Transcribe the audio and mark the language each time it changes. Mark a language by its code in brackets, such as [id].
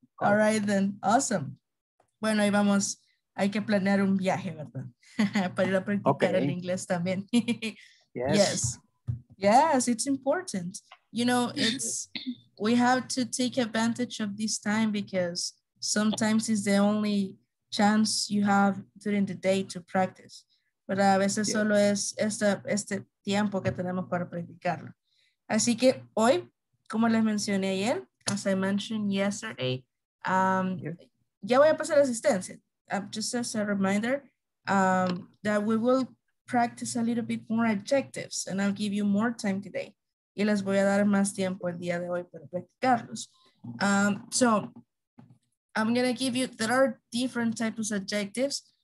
[en] All right, then. Awesome. [es] Bueno, ahí vamos. Hay que planear un viaje, ¿verdad? Para ir a practicar [en] okay. [es] El inglés también. [en] Yes. Yes. Yes, it's important. You know, it's we have to take advantage of this time because sometimes it's the only chance you have during the day to practice. [es] Pero a veces [en] yes. [es] Solo es este tiempo que tenemos para practicarlo. Así que hoy, como les mencioné ayer, [en] as I mentioned yesterday, yes. [es] Ya voy a pasar asistencia. [en] Just as a reminder, that we will practice a little bit more adjectives and I'll give you more time today. [es] Y les voy a dar más tiempo el día de hoy para practicarlos. [en] So I'm going to give you, there are different types of adjectives.